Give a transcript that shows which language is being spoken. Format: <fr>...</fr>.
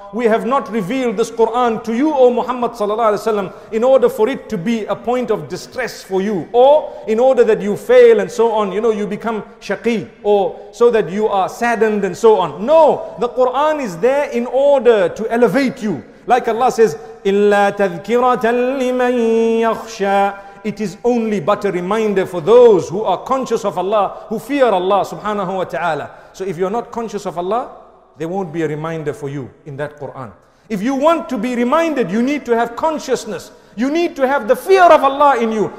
<en>We have not revealed this Quran to you, O Muhammad sallallahu alaihi wasallam, in order for it to be a point of distress for you, or in order that you fail and so on. You know, you become shaqi, or so that you are saddened and so on. No, the Quran is there in order to elevate you. Like Allah says,</en> <ar>إِلَّا تَذْكِرَةً لِمَن يَخْشَى.</ar> <en>It is only but a reminder for those who are conscious of Allah, who fear Allah subhanahu wa ta'ala. So if you're not conscious of Allah, there won't be a reminder for you in that Quran. If you want to be reminded, you need to have consciousness. You need to have the fear of Allah in you.</en>